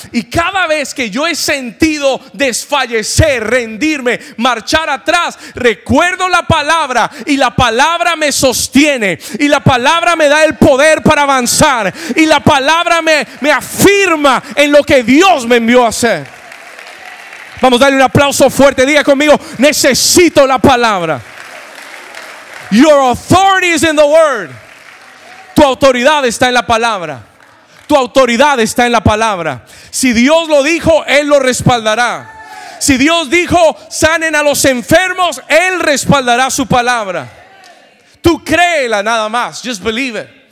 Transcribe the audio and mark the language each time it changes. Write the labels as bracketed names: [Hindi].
[Spanish] Y cada vez que yo he sentido desfallecer, rendirme, marchar atrás, recuerdo la palabra y la palabra me sostiene. Y la palabra me da el poder para avanzar. Y la palabra me afirma en lo que Dios me envió a hacer. Vamos a darle un aplauso fuerte. Diga conmigo: necesito la palabra. [English] Your authority is in the word. [Spanish] Tu autoridad está en la palabra. Tu autoridad está en la palabra. Si Dios lo dijo, Él lo respaldará. Si Dios dijo: sanen a los enfermos, Él respaldará su palabra. Tú créela nada más. [English] Just believe it.